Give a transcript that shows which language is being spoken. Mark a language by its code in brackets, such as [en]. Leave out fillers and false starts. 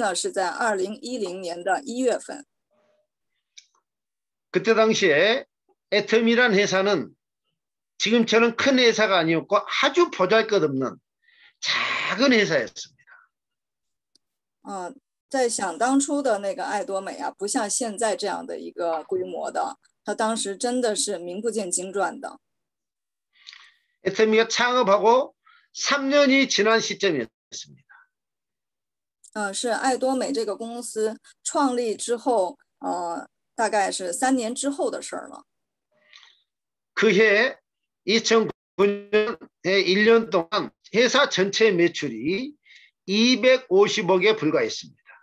[zh] 是决定下决断要经营爱多美的时期呢，是在2010年的1月份。 [ko] 그때 당시에 애텀이란 회사는 지금처럼 큰 회사가 아니었고 아주 보잘것없는 작은 회사였습니다. [zh] 在想当初的那个爱多美啊，不像现在这样的一个规模的，它当时真的是名不见经传的。 [ko] 애터미가 창업하고 3년이 지난 시점이었습니다. [zh] 是爱多美这个公司创立之后，大概是3年之后的事儿了。 [ko] 그해 2009년에 1년 동안 회사 전체 매출이 250억에 불과했습니다.